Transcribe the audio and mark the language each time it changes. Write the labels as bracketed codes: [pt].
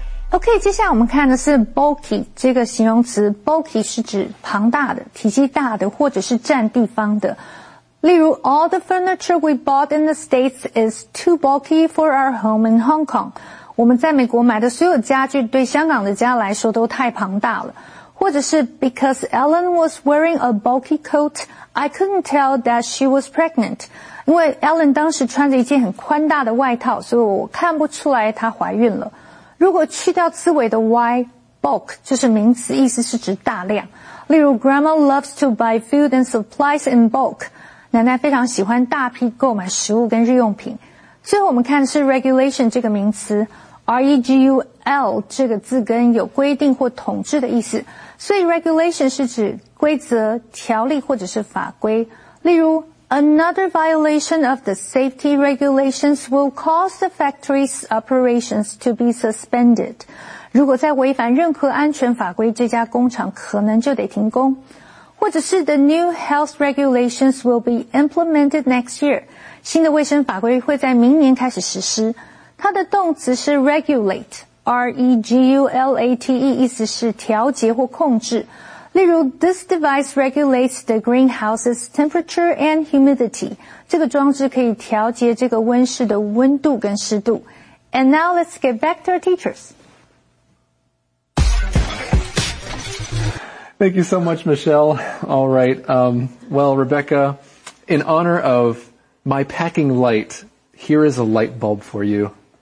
[zh] OK， 接下来我们看的是 bulky 这个形容词。 bulky 是指庞大的、体积大的或者是占地方的。例如 [en] All the furniture we bought in the States is too bulky for our home in Hong Kong。 [zh] 我们在美国买的所有家具对香港的家来说都太庞大了。或者是 [en] Because Ellen was wearing a bulky coat, I couldn't tell that she was pregnant。 [zh] 因为 Ellen 当时穿着一件很宽大的外套，所以我看不出来她怀孕了。如果去掉词尾的 y, bulk 就是名词，意思是指大量。 [en] 例如 Grandma loves to buy food and supplies in bulk， [zh] 奶奶非常喜欢大批购买食物跟日用品。最后我们看的是 regulation 这个名词， REGUL 这个字根有规定或统治的意思，所以 regulation 是指规则、条例或者是法规。例如 [en] ,another violation of the safety regulations will cause the factory's operations to be suspended. [zh] 如果再违反任何安全法规,这家工厂可能就得停工。或者是 [en] the new health regulations will be implemented next year. [zh] 新的卫生法规会在明年开始实施。它的动词是 regulate, R-E-G-U-L-A-T-E, 意思是调节或控制。例如 [en] ,this device regulates the greenhouse's temperature and humidity. [zh] 这个装置可以调节这个温室的温度跟湿度。 [en] And now let's get back to our teachers. Thank you so much, Michelle. All right. Well, Rebecca, in honor of my packing light, here is a light bulb for you.